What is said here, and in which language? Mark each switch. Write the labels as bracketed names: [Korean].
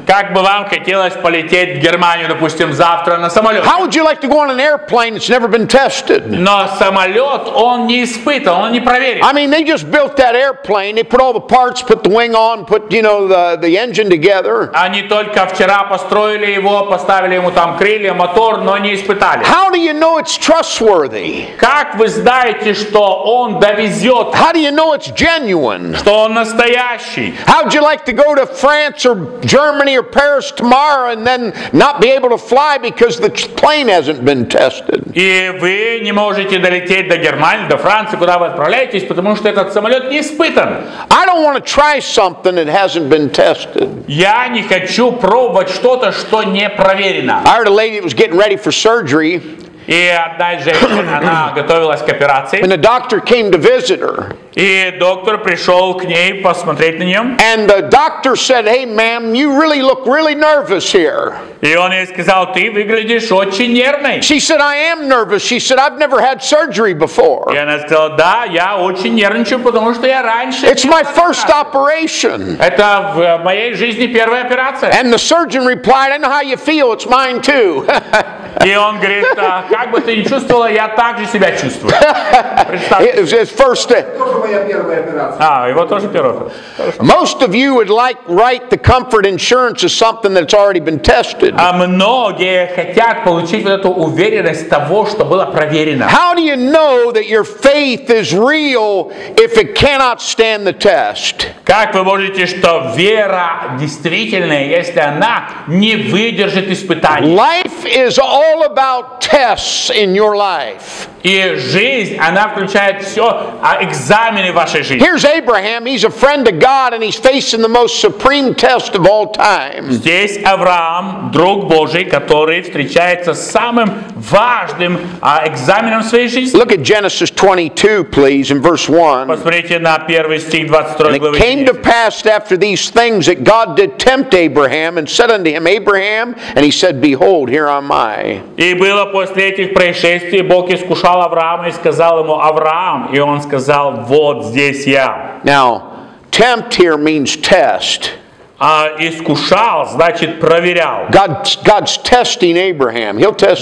[Russian] Как бы вам хотелось полететь в Германию, допустим, завтра на самолете? [English] How would you like to go on an airplane? Never been tested. [Russian] Но самолет он не испытан, он не проверен. [English] I mean, they just built that airplane. They put all the parts, put the wing on, put you know the engine together. [Russian] Они только вчера построили его, поставили ему там крылья, мотор, но не испытали. [English] How do you know it's trustworthy? [Russian] Как вы знаете, что он довезет? [English] How do you know it's genuine? [Russian] Что он настоящий? [English] How would you like to go to France or Germany or Paris tomorrow and then not be able to fly because the plane hasn't been tested? [Russian] И вы не можете долететь до Германии, до Франции, куда вы отправляетесь, потому что этот самолет не испытан. [English] I don't want to try something that hasn't been tested. [Russian] Я не хочу пробовать что-то, что не проверено. [English] I heard a lady was getting ready for surgery. [Russian] И одна женщина, она готовилась к операции. [English] And the doctor came to visit her. [Russian] И доктор пришел к ней посмотреть на нее. [English] And the doctor said, "Hey, ma'am, you really look really nervous here." [Russian] И он ей сказал, ты выглядишь очень нервной. [English] She said, "I am nervous." She said, "I've never had surgery before." [Russian] И она сказала, да, я очень нервничаю, потому что я раньше. [English] It's my first operation. [Russian] Это в моей жизни первая операция. [English] And the surgeon replied, "I know how you feel. It's mine too." [Russian] И он говорит, как бы ты ни чувствовала, я так же себя чувствую. Представьте. [English] It's first. Most of you would like write the comfort insurance as something that's already been tested. [Russian] А многие хотят получить вот эту уверенность того, что было проверено. [English] How do you know that your faith is real if it cannot stand the test? [Russian] Как вы можете, что вера действительная, если она не выдержит испытаний? [English] Life is all about tests in your life. [Russian] И жизнь, она включает все экзамены вашей жизни. [English] Here's Abraham, he's a friend of God and he's facing the most supreme test of all time. [Russian] Здесь Авраам, друг Божий, который встречается с самым важным экзаменом своей жизни. [English] Look at Genesis 22, please, in verse 1. [Russian] Посмотрите на первый стих 22 главы. [English] And it came to pass after these things that God did tempt Abraham and said unto him, Abraham, and he said, Behold, here am I. [Russian] И было после этих происшествий, Бог искушал Авраам и сказал ему Авраам, и он сказал: вот здесь я. [English] Now, tempt here means test. [Russian] А искушал значит проверял. [English] God's testing Abraham. He'll test